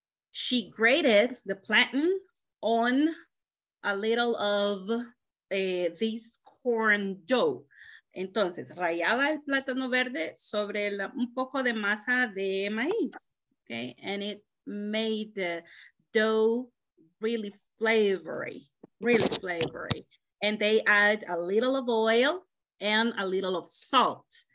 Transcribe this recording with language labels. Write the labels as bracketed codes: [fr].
[en] She grated the plantain on a little of this corn dough. [es] Entonces, rallaba el plátano verde sobre un poco de masa de maíz, okay? [en] And it made the dough really flavory, really flavory. And they add a little of oil and a little of salt.